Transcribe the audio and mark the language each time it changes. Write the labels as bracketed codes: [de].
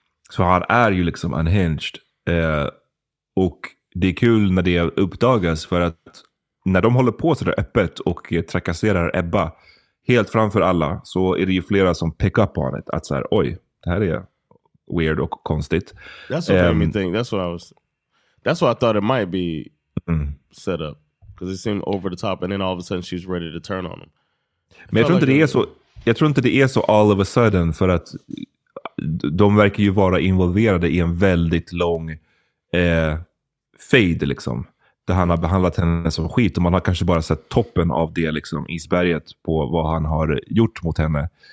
[sv] Så han är ju liksom unhinged. Och det är kul när det uppdagas, för att när de håller på så där öppet och trakasserar Ebba helt framför alla, så är det ju flera som [en] pick up on it. [sv] Att så här, oj, det här är weird och konstigt. [en] That's what made me think. That's what I thought it might be set up. Because it seemed over the top, and then all of a sudden she's ready to turn on him. [sv] Men jag tror inte det är så. Jag tror inte det är så [en] all of a sudden, [sv] för att de verkar ju vara involverade i en väldigt lång fade liksom. Där han har behandlat henne som skit, och man har kanske bara sett toppen av det liksom, isberget på vad han har gjort mot henne.